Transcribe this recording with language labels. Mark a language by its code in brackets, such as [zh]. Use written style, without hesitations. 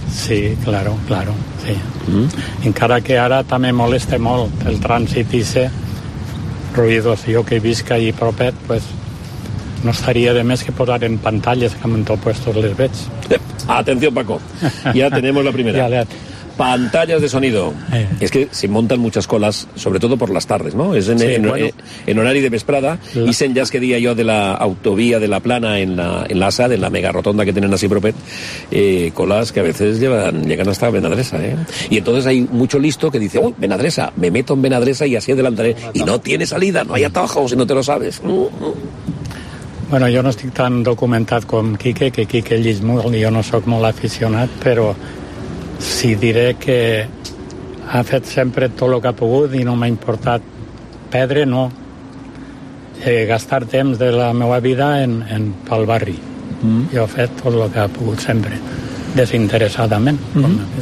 [es] Sí, claro, sí. Mm. [ca] Encara que ara també molesta molt el trànsit i ser ruïdos. Jo que visc allà propet, pues, no estaria de més que posar en pantalles, que en tot puestos les veig. [es] Atenció, Paco, ja tenemos la primera. Pantallas de sonido. Es que se montan muchas colas, sobre todo por las tardes, ¿no? Es en horario de vesprada. Dicen ya, es que día yo de la autovía de la Plana en la ASA, de la mega rotonda que tienen así propet, colas que a veces llegan hasta Benadreça, ¿eh? Y entonces hay mucho listo que dice, uy, Benadreça, me meto en Benadreça y así adelantaré. Y no tiene salida, no hay atajos si no te lo sabes. Bueno, yo no estoy tan documentado con Quique, que Quique Lismul, yo no soy muy aficionado, pero... [ca] Sí, diré que ha fet sempre tot el que ha pogut i no m'ha importat perdre, no. Gastar temps de la meva vida en pel barri. Mm. Jo he fet tot el que ha pogut sempre, desinteressadament. Mm.